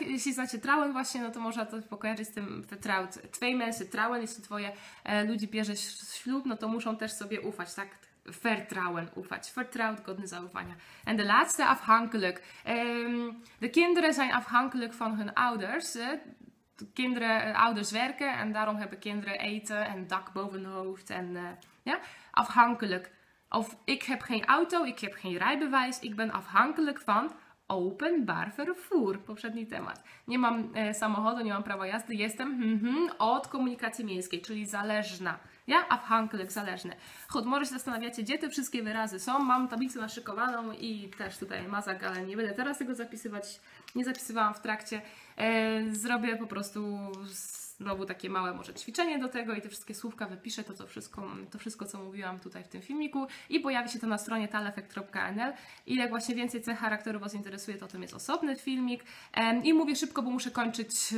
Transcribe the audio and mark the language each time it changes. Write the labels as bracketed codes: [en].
[pl] Jeśli znacie trauen właśnie, no to można to pokojarzyć z tym vertraut. Twee mensen trauen, jeśli twoje ludzi bierze ślub, no to muszą też sobie ufać, tak? Vertrouwen, ufać. Vertrouwd, godny zaufania. [nl] En de laatste, afhankelijk. De kinderen zijn afhankelijk van hun ouders. Kinderen, ouders werken en daarom hebben kinderen eten en dak boven hun hoofd. Afhankelijk. Of ik heb geen auto, ik heb geen rijbewijs, ik ben afhankelijk van... Openbaar vervoer, [pl] poprzedni temat. Nie mam samochodu, nie mam prawa jazdy, jestem od komunikacji miejskiej, czyli zależna. Ja? Afhankelijk, zależny. Chod, może się zastanawiacie, gdzie te wszystkie wyrazy są. Mam tablicę naszykowaną i też tutaj mazak, ale nie będę teraz tego zapisywać. Nie zapisywałam w trakcie. Zrobię po prostu znowu takie małe może ćwiczenie do tego i te wszystkie słówka wypiszę, to wszystko, co mówiłam tutaj w tym filmiku i pojawi się to na stronie talefek.nl i jak właśnie więcej cech charakteru Was interesuje, to o tym jest osobny filmik i mówię szybko, bo muszę kończyć.